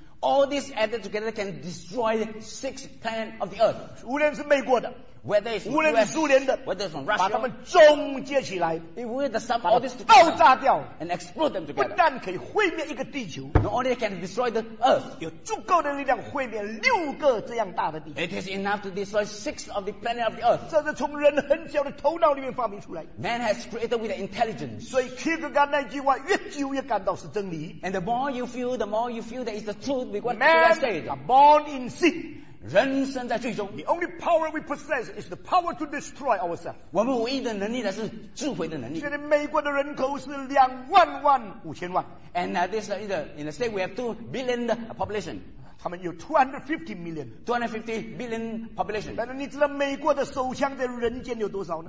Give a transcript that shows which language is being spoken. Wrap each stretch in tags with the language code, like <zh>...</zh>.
<en>All this added together can destroy six planets of the earth.</en> <zh>无论是美国的。</zh> <en>Whether it's</en> <zh>无论是苏联的</zh> <en>whether it's from Russia,</en> <zh>把他们终结起来</zh> <en>if we had some,</en> <zh>把他们爆炸掉</zh> <en>and explode them together,</en> <zh>不但可以毁灭一个地球</zh> <en>not only can destroy the earth,</en> <zh>有足够的力量毁灭六个这样大的地球</zh> <en>it is enough to destroy six of the planets of the earth</en> <zh>这是从人很小的头脑里面发明出来</zh> <en>man has created with intelligence</en> <zh>所以 Kierkegaard 那句话越久越感到是真理</zh> <en>and the more you feel the more you feel that it's the truth with what man you have said man are born in sin</en> <zh>人生在最终</zh> <en>The only power we possess is the power to destroy ourselves</en> <zh>我们唯一的能力呢是智慧的能力现在美国的人口是两万万五千万</zh> <en>And this is in the state we have 2 billion population</en> <zh>他们有</zh> <en>250 million 250 billion population</en> <zh>但是你知道美国的手枪在人间有多少呢</zh>